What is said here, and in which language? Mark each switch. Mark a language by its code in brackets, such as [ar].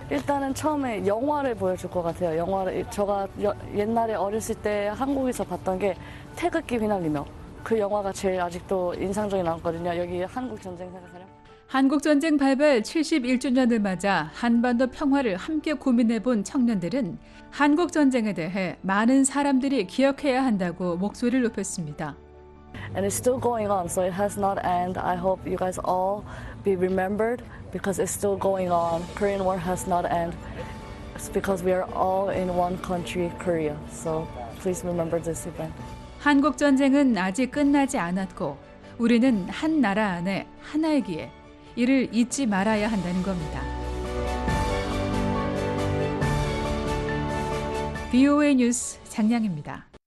[ko] 일단은 처음에 영화를 보여줄 것 같아요. 영화를 제가 옛날에 어렸을 때 한국에서 봤던 게 태극기 휘날리며 그 영화가 제일 아직도 인상적이 나왔거든요. 여기 한국 전쟁 생각하려. 한국 전쟁 발발 71주년을 맞아 한반도 평화를 함께 고민해본 청년들은 한국 전쟁에 대해 많은 사람들이 기억해야 한다고 목소리를 높였습니다. [en] And it's still going on, so it has not ended. I hope you guys all be remembered because it's still going on. Korean War has not ended. It's because we are all in one country, Korea. So please remember this event. [ko] 한국 전쟁은 아직 끝나지 않았고 우리는 한 나라 안에 하나이기에 이를 잊지 말아야 한다는 겁니다. VOA 뉴스 장량입니다.